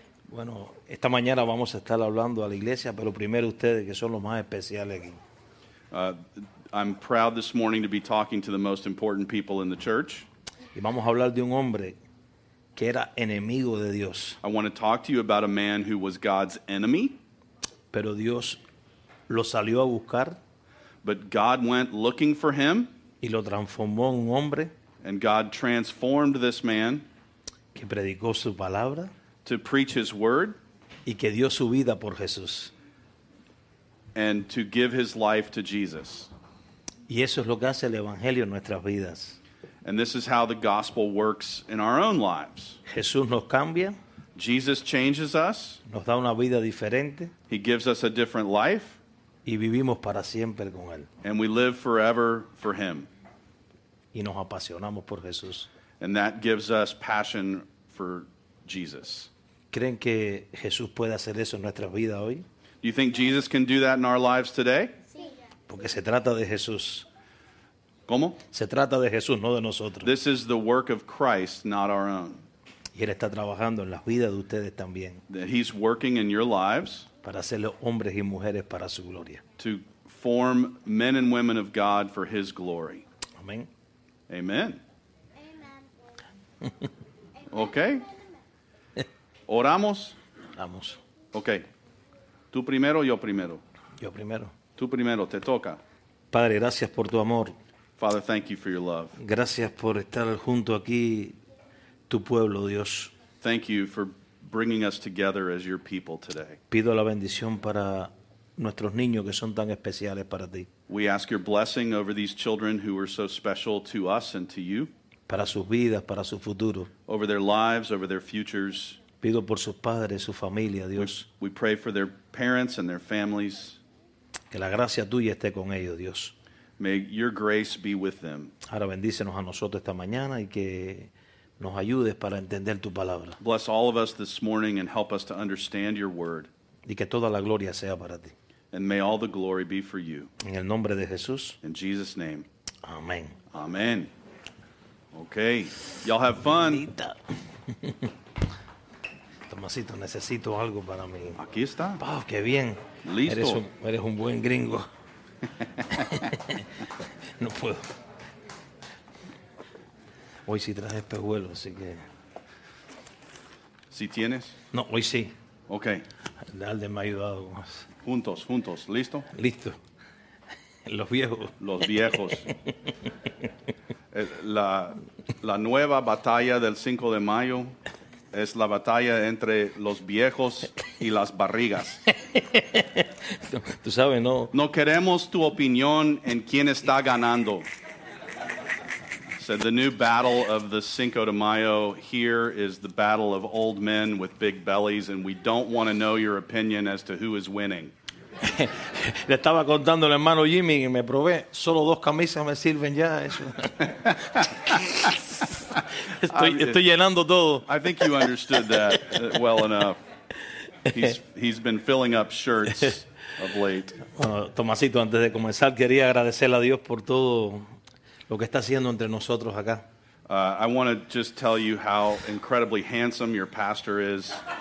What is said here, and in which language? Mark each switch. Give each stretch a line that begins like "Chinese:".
Spanish: Bueno, esta mañana vamos a estar hablando a la iglesia, pero primero ustedes, que son los más especiales aquí.
English: I'm proud this morning to be talking to the most important people in the church.
Spanish: Y vamos a hablar de un hombre que era enemigo de Dios.
English: I want to talk to you about a man who was God's enemy.
Spanish: Pero Dios lo salió a buscar.
English: But God went looking for him.
Spanish: Y lo transformó en un hombre.
English: And God transformed this man.
Spanish: Que predicó su palabra.
English: To preach his word.
Spanish: Y que dio su vida por Jesús.
English: And to give his life to Jesus.
Spanish: Y eso es lo que hace el evangelio en nuestras vidas.
English: And this is how the gospel works in our own lives.
Spanish: Jesús nos cambia.
English: Jesus changes us.
Spanish: Nos da una vida diferente.
English: He gives us a different life.
Spanish: Y vivimos para siempre con él.
English: And we live forever for him.
Spanish: Y nos apasionamos por Jesús.
English: And that gives us passion for Jesus.
Spanish: ¿Creen que Jesús puede hacer eso en nuestra vida hoy?
English: Do you think Jesus can do that in our lives today?
Spanish: Sí. Porque se trata de Jesús. ¿Cómo? Se trata de Jesús, no de nosotros.
English: This is the work of Christ, not our own.
Spanish: Y él está trabajando en las vidas de ustedes también.
English: That he's working in your lives.
Spanish: Para hacerlos hombres y mujeres para su gloria.
English: To form men and women of God for his glory.
Spanish: Amén.
English: Amen. Amen. Okay.
Spanish: Oramos. Oramos. Okay. Tú primero, yo primero. Yo primero. Tú primero, te toca. Padre, gracias por tu amor.
English: Father, thank you for your love.
Spanish: Gracias por estar junto aquí, tu pueblo, Dios.
English: Thank you for bringing us together as your people today.
Spanish: Pido la bendición para nuestros niños que son tan especiales para ti.
English: We ask your blessing over these children who are so special to us and to you.
Spanish: Para sus vidas, para su futuro.
English: Over their lives, over their futures.
Spanish: Pido por sus padres, su familia, Dios.
English: We pray for their parents and their families.
Spanish: Que la gracia tuya esté con ellos, Dios.
English: May your grace be with them.
Spanish: Ahora bendícenos a nosotros esta mañana y que nos ayudes para entender tu palabra.
English: Bless all of us this morning and help us to understand your word.
Spanish: Y que toda la gloria sea para ti.
English: And may all the glory be for you.
Spanish: En el nombre de Jesús.
English: In Jesus' name.
Spanish: Amén.
English: Amén. Okay. Y'all have fun.
Spanish: Tomasito, necesito algo para mí. Aquí está. Wow, qué bien. Listo. Eres un buen gringo. No puedo. Hoy sí traje espejuelos, así que. ¿Sí tienes? No, hoy sí. Ok. Dale, me ha ayudado más. Juntos, juntos. ¿Listo? Listo. Los viejos. Los viejos. La nueva batalla del 5 de mayo es la batalla entre los viejos y las barrigas. Tú sabes, no. No queremos tu opinión en quién está ganando.
English: Said the new battle of the Cinco de Mayo here is the battle of old men with big bellies, and we don't want to know your opinion as to who is winning.
Spanish: Le estaba contando al hermano Jimmy y me probé, solo dos camisas me sirven ya. Estoy llenando todo.
English: I think you understood that well enough. He's been filling up shirts of late.
Spanish: Bueno, Tomasito, antes de comenzar, quería agradecerle a Dios por todo lo que está haciendo entre nosotros acá.
English: I want to just tell you how incredibly handsome your pastor is.